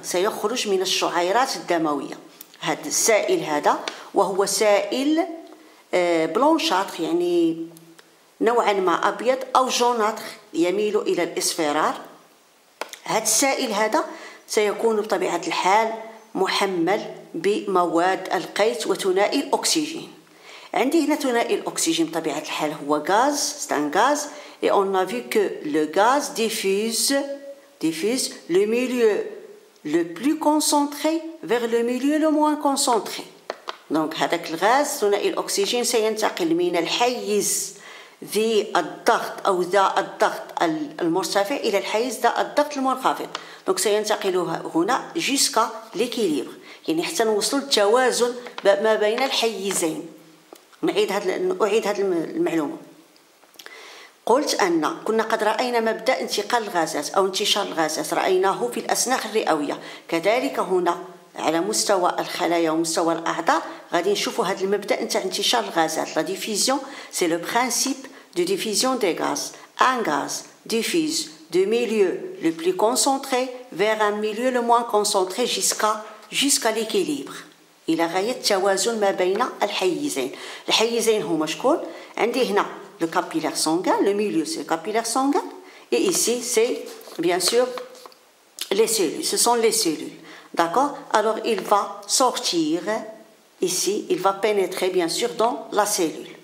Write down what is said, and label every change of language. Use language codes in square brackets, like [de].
[fr] C'est le [ar] خروج من الشعيرات الدموية. هذا السائل هذا وهو سائل blanchâtre، يعني نوعا ما أبيض أو jaunâtre، يميل إلى الإصفرار. هذا السائل هذا سيكون بطبيعة الحال محمل بمواد القيت وثنائي الأكسجين. عندي هنا ثنائي الأكسجين بطبيعة الحال هو غاز، [fr] ستان غاز. Et on a vu que le gaz diffuse le milieu le plus concentré vers le milieu le moins concentré. [ar] Donc, هذاك الغاز ثنائي الأكسجين سينتقل من الحيز ذي الضغط أو ذا الضغط المرتفع إلى الحيز ذا الضغط المنخفض. [fr] Donc, [ar] سينتقل هنا [fr] jusqu'à l'équilibre. [ar] يعني حتى نوصل التوازن ما بين الحيزين. نعيد هذه المعلومة. قلت أن كنا قد رأينا مبدأ انتقال الغازات أو انتشار الغازات، رأيناه في الأسناخ الرئوية. كذلك هنا على مستوى الخلايا ومستوى الأعضاء غادي نشوفوا هذا المبدأ نتاع انتشار الغازات. [fr] La diffusion, c'est le principe de diffusion des gaz. Un gaz diffuse du milieu le plus concentré vers un milieu le moins concentré jusqu'à l'équilibre. [ar] إلى غاية التوازن ما بين الحيزين. الحيزين هما شكون؟ عندي هنا [fr] le capillaire sanguin, le milieu c'est le capillaire sanguin et ici c'est bien sûr les cellules, ce sont les cellules. D'accord. Alors il va sortir ici, il va pénétrer bien sûr dans la cellule.